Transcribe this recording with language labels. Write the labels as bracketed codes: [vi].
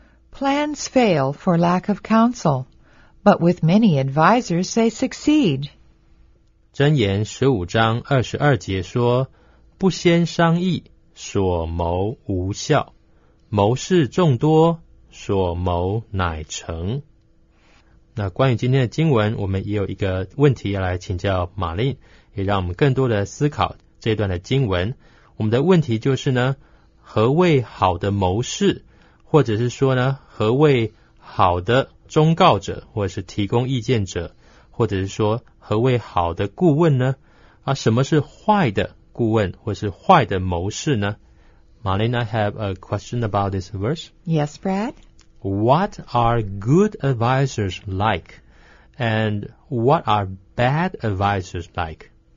[en] Plans fail for lack of counsel, but with many advisors they succeed. [zh] 箴言十五章二十二节说，不先商议，所谋无效。谋事众多，所谋乃成。那关于今天的经文，我们也有一个问题要来请教玛丽，也让我们更多的思考这段的经文。我们的问题就是呢，何谓好的谋士，或者是说呢，何谓好的忠告者，或者是提供意见者，或者是说何谓好的顾问呢？啊，什么是坏的顾问，或是坏的谋士呢？ [en] Marlene, I have a question about this verse. Yes, Brad. What are good advisors like? And what are bad advisors like?